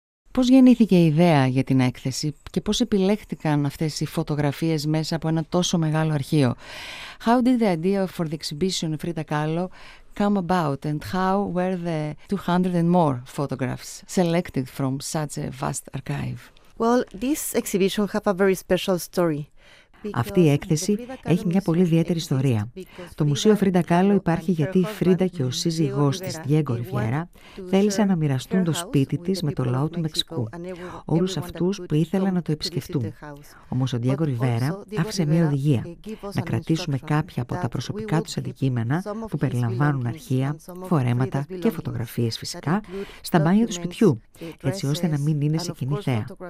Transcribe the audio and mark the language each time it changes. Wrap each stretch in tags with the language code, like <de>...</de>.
<el>Πώς γεννήθηκε η ιδέα για την έκθεση και πώς επιλέχθηκαν αυτές οι φωτογραφίες μέσα από ένα τόσο μεγάλο αρχείο?</el> <en>How did the idea for the exhibition Frida Kahlo come about, and how were the 200 and more photographs selected from such a vast archive? Well, this exhibition has a very special story.</en> <el>Αυτή η έκθεση έχει μια πολύ ιδιαίτερη ιστορία. Το Μουσείο Φρίντα Κάλλο υπάρχει γιατί η Φρίντα και ο σύζυγός της, Διέγκο Ριβιέρα, θέλησαν να μοιραστούν το σπίτι της με το λαό του Μεξικού, όλους αυτούς που ήθελαν να το επισκεφτούν. Όμως ο Διέγκο Ριβέρα άφησε μια οδηγία, να κρατήσουμε κάποια από τα προσωπικά τους αντικείμενα που περιλαμβάνουν αρχεία, φορέματα και φωτογραφίες φυσικά, στα μπάνια του σπιτιού, έτσι ώστε να μην είναι σε κοινή θέα.</el>